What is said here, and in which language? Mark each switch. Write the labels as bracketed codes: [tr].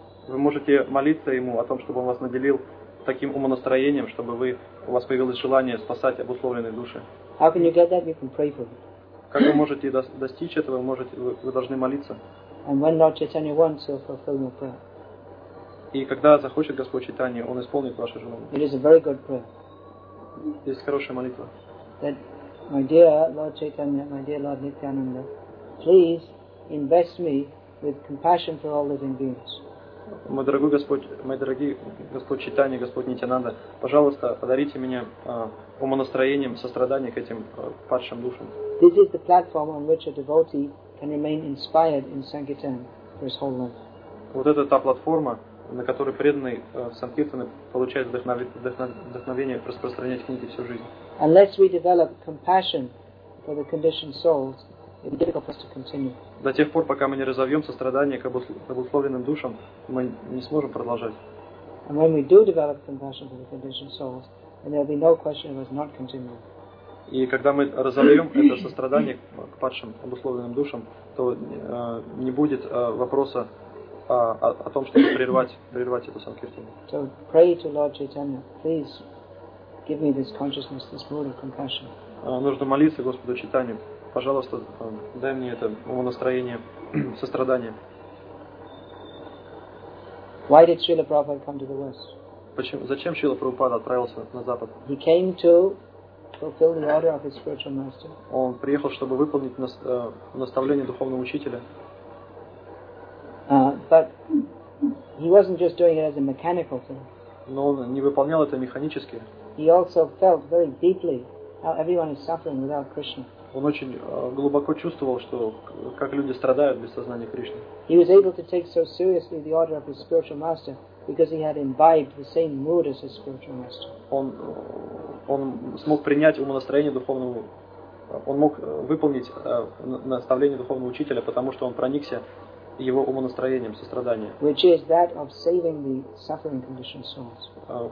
[ru] Вы можете молиться ему о том, чтобы он вас наделил таким умонастроением, чтобы вы у вас появилось желание спасать обусловленные души. [en] How can you get that? You can pray for it. [ru] Как вы можете достичь этого? Вы должны молиться. [en] And when Lord Chaitanya wants, he'll fulfill your prayer. [ru] И когда захочет Господь Чайтанья, он исполнит ваше желание. [en] It is a very good prayer. [ru] Есть хорошая молитва. [en] That, my dear Lord Chaitanya, my dear Lord Nityananda, please invest me with compassion for all living beings. [ru] Мой дорогой Господь, мои дорогие Господь Чайтанья, Господь Нитянанда, пожалуйста, подарите мне умонастроением сострадания к этим падшим душам. [en] This is the platform on which a devotee can remain inspired in Sankirtan for his whole life. [ru] Вот это та платформа, на которой преданный в Санкиртане получает вдохновение распространять книги всю жизнь. [en] Unless we develop compassion for the conditioned souls, it will be difficult for us to continue. [ru] До тех пор, пока мы не разовьем сострадание к обусловленным душам, мы не сможем продолжать. [en] And when we do develop compassion for the conditioned souls, then there will be no question of us not continuing. [ru] И когда мы разовьем это сострадание к падшим обусловленным душам, то не будет вопроса о том, чтобы прервать эту санкиртану. [en] So pray to Lord Chaitanya, please give me this consciousness, this mood of compassion. [ru] Нужно молиться Господу Чайтанье. Пожалуйста, дай мне это умонастроение сострадания. [en] Why did Srila Prabhupada come to the West? [ru] Зачем Шрила Прабхупада отправился на Запад? [en] He came to fulfill the order of his spiritual master. [ru] Он приехал, чтобы выполнить наставление духовного учителя. [en] But he wasn't just doing it as a mechanical thing. [ru] Но он не выполнял это механически. [en] He also felt very deeply how everyone is suffering without Krishna. [ru] Он очень глубоко чувствовал, что как люди страдают без сознания Кришны. [en] He was able to take so seriously the order of his spiritual master because he had imbibed the same mood as his spiritual master. [ru] Он смог принять умонастроение духовного, он мог выполнить наставление духовного учителя, потому что он проникся его умонастроением сострадания. [en] Which is that of saving the suffering conditioned souls.